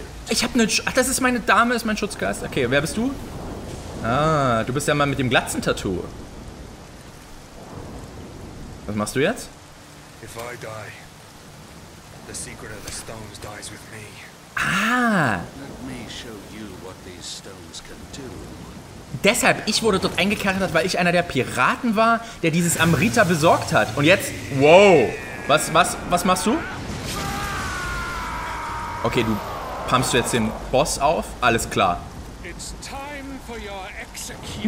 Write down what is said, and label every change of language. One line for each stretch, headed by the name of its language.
German: Ich hab ne... Ach, das ist meine Dame, ist mein Schutzgeist. Okay, wer bist du? Ah, du bist der Mann mit dem Glatzen-Tattoo. Was machst du jetzt?
English: If I die, the secret of the stones dies with me. Ah! Let me show you what these stones can do.
German: Deshalb, ich wurde dort eingekerkert, weil ich einer der Piraten war, der dieses Amrita besorgt hat. Und jetzt, wow, was machst du? Okay, du pumpst jetzt den Boss auf, alles klar.
English: It's time for your execution.